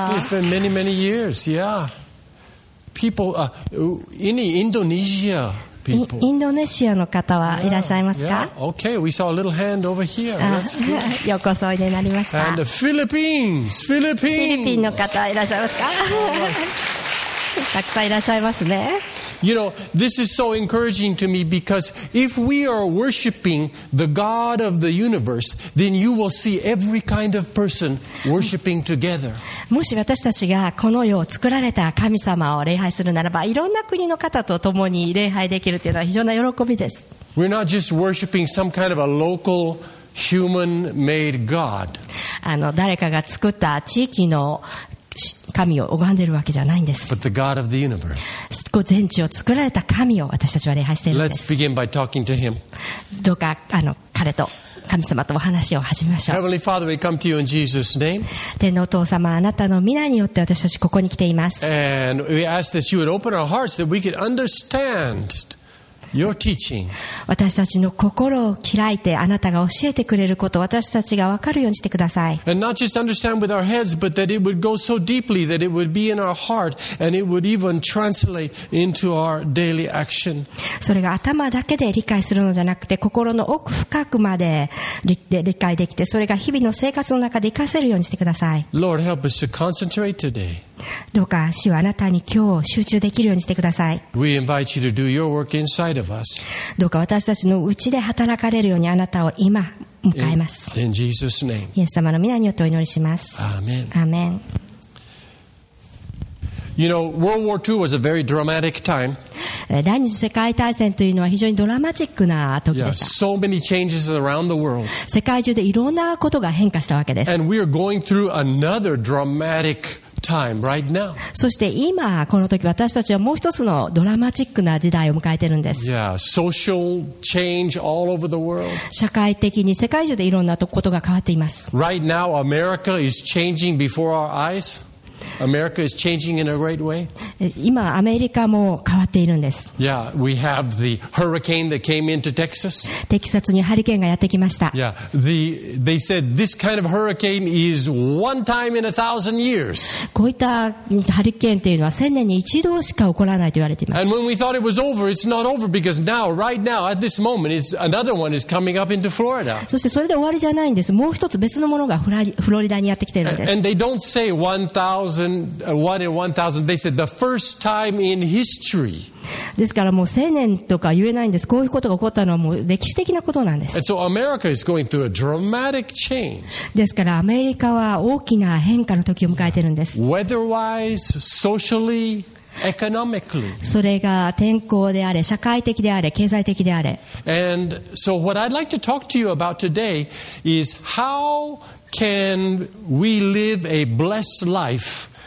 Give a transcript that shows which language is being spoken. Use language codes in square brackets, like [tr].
[en] It's been many, many years. Yeah. People, any Indonesia? People. [ja] インドネシアの方はいらっしゃいますか? [en] Yeah, yeah. Okay, we saw a little hand over here. [ja] ようこそおいでになりました。 [en] And the Philippines! Philippines! [ja] フィリピンの方いらっしゃいますか? たくさんいらっしゃいますね。 [en] You know, this is so encouraging to me because if we are worshiping the God of the universe, then you will see every kind of person worshiping together. [ja] もし私たちがこの世を作られた神様を礼拝するならば、いろんな国の方と共に礼拝できるというのは非常な喜びです。 [en] We're not just worshiping some kind of a localhuman-made God. [ja] 誰かが作った地域の神を拝んでいるわけじゃないんです。 [en] But the God of the universe. [ja] 全地を作られた神を私たちは礼拝しているんです。 [en] Let's begin by talking to him. [ja] どうか彼と神様とお話を始めましょう。 [en] Heavenly Father, we come to you in Jesus' name. [ja] 天のお父様、あなたの御名によって私たちここに来ています。 [en] And we ask that you would open our hearts that we could understand. Your teaching. [ja] 私たちの心を開いてあなたが教えてくれることを私たちが分かるようにしてください。 [en] And not just understand with our heads, but that it would go so deeply that it would be in our heart and it would even translate into our daily action. [ja] それが頭だけで理解するのじゃなくて心の奥深くまで理解できて、それが日々の生活の中で活かせるようにしてください。 [en] Lord, help us to concentrate today. [ja] どうか主はあなたに今日集中できるようにしてください。 [en] We invite you to do your work inside of us. [ja] どうか私たちの内で働かれるようにあなたを今迎えます。 [en] in Jesus' name. [ja] イエス様の御名によってお祈りします。 [en] Amen. Amen. You know, World War II was a very dramatic time. [ja] 第二次世界大戦というのは非常にドラマチックな時でした。 [en] Yeah, so many changes around the world. [ja] 世界中でいろんなことが変化したわけです。 [en] And we are going through another dramatic timeRight、now. [ja] そして今この時私たちはもう一つのドラマチックな時代を迎えているんです。 [en] Yeah, social change all over the world. [ja] 社会的に世界中でいろんなことが変わっています。 [en] Right now, America is changing before our eyes. America is changing in a great way. [ja] 今アメリカも変わっているんです。 [en] Yeah, we have the hurricane that came into Texas. [ja] テキサスにハリケーンがやってきました。 [en] Yeah, they said this kind of hurricane is one time in 1,000 years. [ja] こういったハリケーンというのは千年に一度しか起こらないと言われています。 [en] And when we thought it was over, it's not over because now, right now, at this moment, it's another one is coming up into Florida. [ja] そしてそれで終わりじゃないんです。もう一つ別のものがフロリダにやってきているんです。 [en] And they don't say 1,000 They said the first time in history. [ja] ですからもう千年とか言えないんです。こういうことが起こったのはもう歴史的なことなんです。 [en] And so America is going through a dramatic change. [ja] ですからアメリカは大きな変化の時を迎えているんです。 [en] Weather-wise, socially, economically. [ja] それが天候であれ、社会的であれ、経済的であれ。 [en] And so what I'd like to talk to you about today is how can we live a blessed life.